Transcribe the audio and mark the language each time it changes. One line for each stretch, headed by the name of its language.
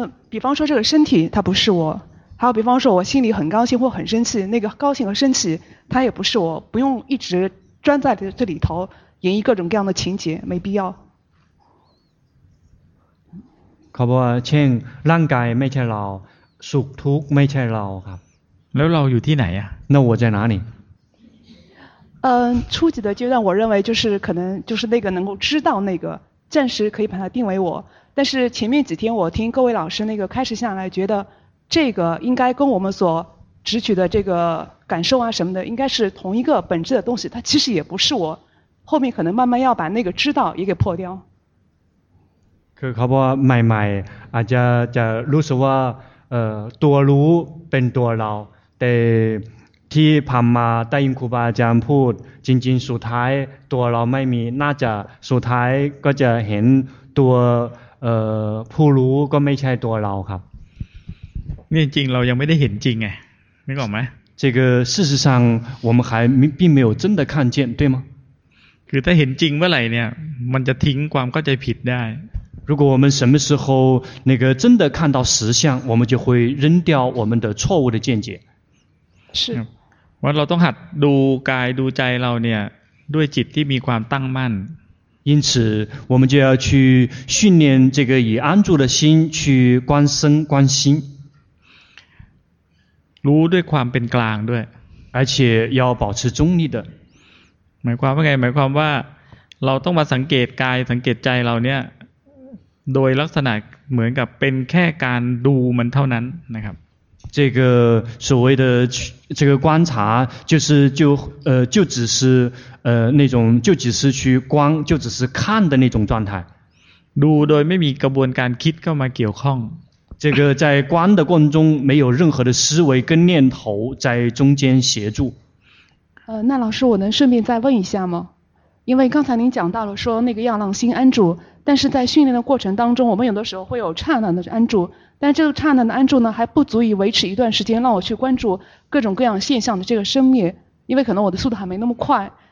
Chinese: 比方说这个身体它不是我还有比方说我心里很高兴或很生气那个高兴和生气它也不是我不用一直钻在这里头演绎各种各样的情节没必要
Thai: เขาบอกว่าเช่นร่างกายไม่ใช่เราสุขทุกข์ไม่ใช่เราครับ แล้วเราอยู่ที่ไหนอ่ะ
Chinese: 那我在哪里初级的阶段我认为就是可能就是那个能够知道那个暂时可以把它定为我但是前面几天我听各位老师那个开始下来觉得这个应该跟我们所直取的这个感受啊什么的应该是同一个本质的东西它其实也不是我后面可能慢慢要把那个知道也给破掉
Thai: คือเขาบอกว่าใหม่ๆอาจจะรู้สึกว่าตัวรู้เป็นตัวเราแต่ที่ผ่านมาได้ยินครูบาอาจารย์พูดจริงๆสุดท้ายตัวเราไม่มีน่าจะสุดท้ายก็จะเห็นตัวผู้รู้ก็ไม่ใช่ตัวเราครับ นี่จริงเรายังไม่ได้เห็นจริงไงไม่บอกไหม
Chinese: 这个事实上我们还并没有真的看见对吗
Thai: คือถ้าเห็นจริงเมื่อไหร่เนี่ยมันจะทิ้งความเข้าใจผิดได้
Chinese: 如果我们什么时候那个真的看到实相我们就会扔掉我们的错误的见解是
Thai: ว่าเราต้องหัดดูกายดูใจเราเนี่ยด้วยจิตที่มีความตั้งมั่น
Chinese: 因此我们就要去训练这个以安住的心去观身观心
Thai: รู้ด้วยความเป็นกลางด้วย
Chinese: 而且要保持中立的
Thai: หมายความว่าไงหมายความว่าเราต้องมาสังเกตกายสังเกตใจเราเนี่ยโดยลักษณะเหมือนกับเป็นแค่การดูมันเท่านั้นนะครับ
Chinese: 这个所谓的这个观察就是就只是那种就只是去观就只是看的那种状态
Thai: ดูโดยไม่มีกระบวนการคิดเข้ามาเกี่ยวข้อง
Chinese: 这个在观的过程中没有任何的思维跟念头在中间协助那老师我能顺便再问一下吗因为刚才您讲到了说那个要让心安住但是在训练的过程当中我们有的时候会有刹那的安住但这个刹那的安住呢还不足以维持一段时间让我去关注各种各样现象的这个生灭因为可能我的速度还没那么快